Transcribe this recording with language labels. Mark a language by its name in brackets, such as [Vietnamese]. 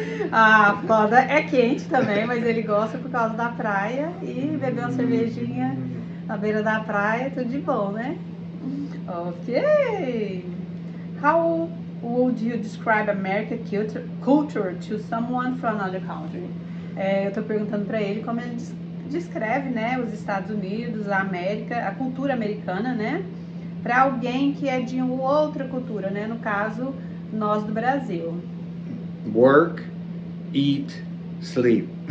[Portuguese] Ah, Flórida é quente também, mas ele gosta por causa da praia e beber uma cervejinha. Na beira da praia, tudo de bom, né? Ok! [English] How would you describe American culture to someone from another country? [Portuguese] Eu tô perguntando pra ele como ele descreve, né, os Estados Unidos, a América, a cultura americana, né? Pra alguém que é de outra cultura, né? No caso, nós do Brasil. [English] Work, eat, sleep.